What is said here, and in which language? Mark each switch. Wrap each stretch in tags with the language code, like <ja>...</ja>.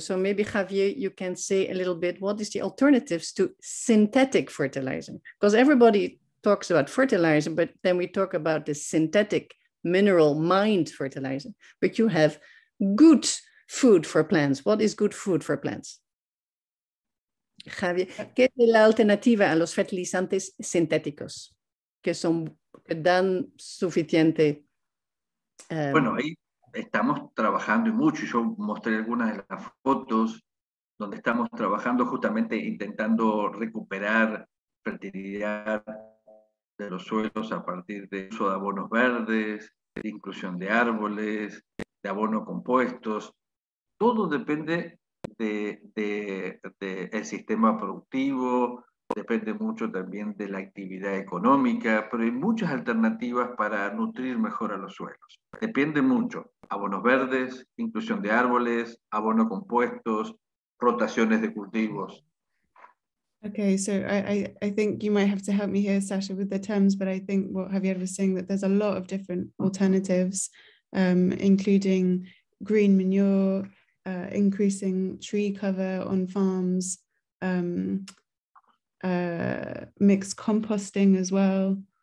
<en>So maybe, Javier, you can say a little bit, what is the alternatives to synthetic fertilizer? Because everybody talks about fertilizer, but then we talk about the synthetic mineral mined fertilizer. But you have good food for plants. What is good food for plants?</en> <es>Javier, ¿qué es la alternativa a los fertilizantes sintéticos que son que dan suficiente? Bueno, ahí estamos trabajando y mucho. Yo mostré algunas de las fotos donde estamos trabajando justamente intentando recuperar fertilidad de los suelos a partir de uso de abonos verdes, de inclusión de árboles, de abono compuestos. Todo depende del sistema productivo, depende mucho también de la actividad económica, pero hay muchas alternativas para nutrir mejor a los suelos. Depende mucho. Abonos verdes, inclusión de árboles, abono compuestos, rotaciones de cultivos.</es> <en>Okay, so I think you might have to help me here, Sasha, with the terms, but I think what Javier was saying, that there's a lot of different alternatives, including green manure, increasing tree cover on farms, mixed composting as well.</en>